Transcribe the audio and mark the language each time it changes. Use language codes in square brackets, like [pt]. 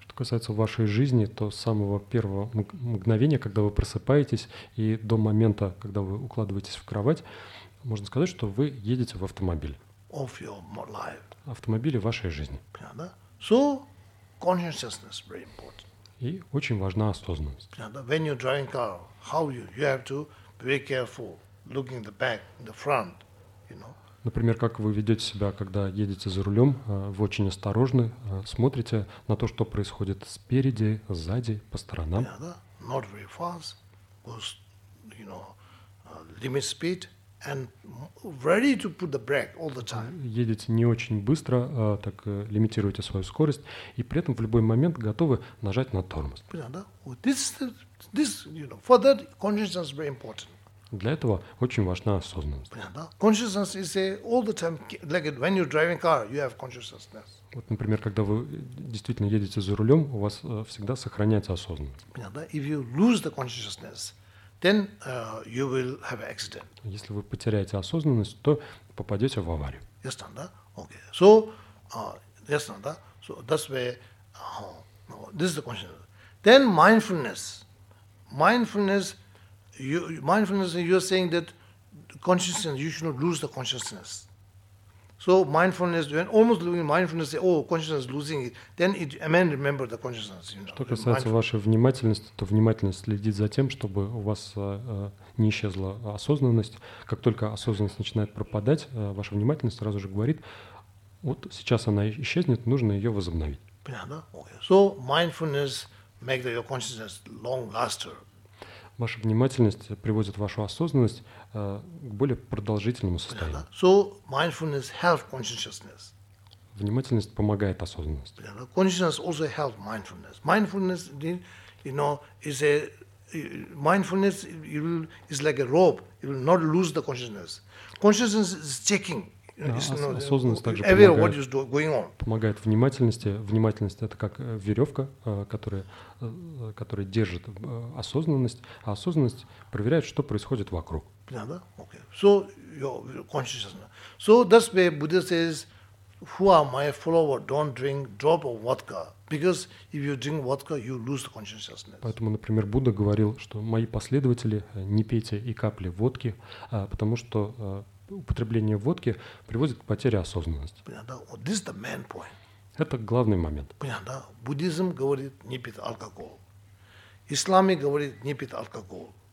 [ru] Что касается вашей жизни, то с самого первого мгновения, когда вы просыпаетесь, и до момента, когда вы укладываетесь в кровать, можно сказать, что вы едете в автомобиль. [en] Of your life. [ru] Автомобили вашей жизни. Понятно, да? [en] So, consciousness very important. [ru] И очень важна осознанность. Понятно, да? [en] When you're driving car, how you? You have to be very careful, looking the back, the front, you know. [ru] Например, как вы ведете себя, когда едете за рулем, вы очень осторожны, смотрите на то, что происходит спереди, сзади, по сторонам. Понятно, да? [en] Not very fast, because, you know, limit speed. And ready to put the brake all the time. [ru] Едете не очень быстро, так лимитируете свою скорость, и при этом в любой момент готовы нажать на тормоз. Понятно, да? [en] This, you know, for that consciousness is very important. [ru] Для этого очень важна осознанность. Понятно, да? [en] Consciousness is all the time, like when you're driving car, you have consciousness. [ru] Вот, например, когда вы действительно едете за рулем, у вас всегда сохраняется осознанность. Понятно, да? [en] If you lose the consciousness, then you will have an accident. [ru] Если вы потеряете осознанность, то попадете в аварию. Ясно, да? Окей. [en] So, [ru] ясно, да? [en] So, that's where, this is the consciousness. Then mindfulness. Mindfulness, you're saying that consciousness, you should not lose the consciousness. So mindfulness, when almost losing mindfulness, say, oh, consciousness is losing it, then it, a man remember the consciousness. You know, [ru] что касается вашей внимательности, то внимательность следит за тем, чтобы у вас не исчезла осознанность. Как только осознанность начинает пропадать, ваша внимательность сразу же говорит, вот сейчас она исчезнет, нужно ее возобновить. [en] Понятно? Okay. So mindfulness makes your consciousness long lasting. [ru] Ваша внимательность приводит вашу осознанность к более продолжительному состоянию. [en] So mindfulness helps consciousness. [ru] Внимательность помогает осознанности. [en] Consciousness also helps mindfulness. Mindfulness, you know, is a mindfulness is like a rope. You will not lose the consciousness. Consciousness is checking. [ru] Осознанность также помогает внимательности. Внимательность – это как веревка, которая держит осознанность, а осознанность проверяет, что происходит вокруг. Понятно, да? Okay. [en] So, your consciousness. So, that's why Buddha says, who are my followers, don't drink drop of vodka. Because if you drink vodka, you lose consciousness. [ru] Поэтому, например, Будда говорил, что мои последователи не пейте и капли водки, потому что употребление водки приводит к потере осознанности. Понятно? Вот [en] this is the main point. [ru] Это главный момент. Понятно? Буддизм говорит не пить алкоголь. Ислами говорит не пить алкоголь.